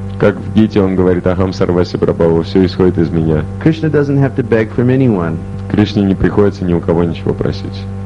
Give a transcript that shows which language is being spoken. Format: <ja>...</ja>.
<ru>Как в Гите он говорит,</ru> <sa>"Aham sarvasya prabhavam,"</sa> <ru>все исходит из меня.</ru> <en>Krishna doesn't have to beg from anyone.</en> <ru>Кришне не приходится ни у кого ничего просить.</ru>